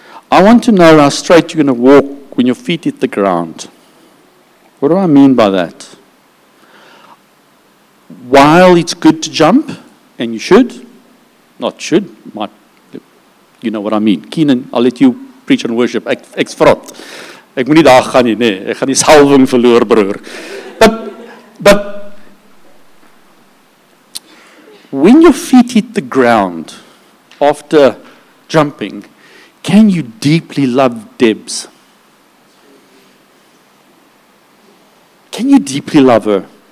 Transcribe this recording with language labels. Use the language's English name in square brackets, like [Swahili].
[English] I want to know how straight you're going to walk when your feet hit the ground. What do I mean by that? While it's good to jump, and you should, not should, might, you know what I mean. Keenan, I'll let you preach on worship. [Afrikaans] Ek vrot. Ek moet nie daar gaan nie, nee. Ek gaan die salving verloor, broer. [English] But, when your feet hit the ground after jumping, can you deeply love Debs? Can you deeply love her?